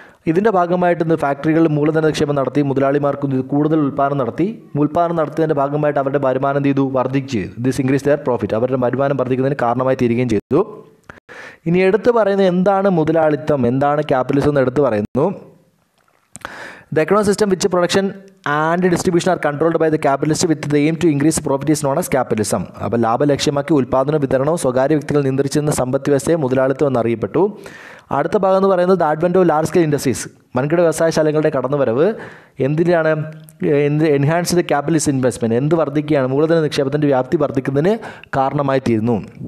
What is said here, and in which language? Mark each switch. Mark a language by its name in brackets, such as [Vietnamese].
[Malayalam] ഇതിൻ്റെ ഭാഗമായിട്ട് ഇന്ന് ഫാക്ടറികളിൽ മൂലധന നിക്ഷേപം നടത്തി, മുതലാളിമാർക്ക് കൂടുതൽ ഉൽപ്പാദനം നടത്തി. ഉൽപ്പാദനം നടത്തിയതിൻ്റെ ഭാഗമായിട്ട് അവരുടെ വരുമാനം എന്ത് ചെയ്തു, വർദ്ധിച്ചു ചെയ്തു. [English] this increase their profit, [Malayalam] അവരുടെ വരുമാനം വർദ്ധിക്കുന്നതിന് കാരണമായി തീരുകയും ചെയ്തു. ഇനി എടുത്തു പറയുന്നത് എന്താണ് മുതലാളിത്തം, എന്താണ് ക്യാപിറ്റലിസം എന്ന് എടുത്തു പറയുന്നു. [English] The economic system which production and distribution are controlled by the capitalist with the aim to increase property is known as capitalism. [Malayalam] അപ്പൊ ലാഭലക്ഷ്യമാക്കി ഉൽപാദനം വിതരണവും സ്വകാര്യ വ്യക്തികൾ നിയന്ത്രിച്ചിരുന്ന സമ്പദ് വ്യവസ്ഥയെ മുതലാളിത്തം എന്നറിയപ്പെട്ടു. അടുത്ത ഭാഗം എന്ന് പറയുന്നത് [English] the advent of large scale industries, [Malayalam] വൻകിട വ്യവസായശാലകളുടെ കടന്നുവരവ് എന്തിനാണ്, [English] enhance the capitalist investment [Malayalam] എന്ത് വർദ്ധിക്കുകയാണ്, മൂലധന നിക്ഷേപത്തിൻ്റെ വ്യാപ്തി വർദ്ധിക്കുന്നതിന് കാരണമായി തീരുന്നു.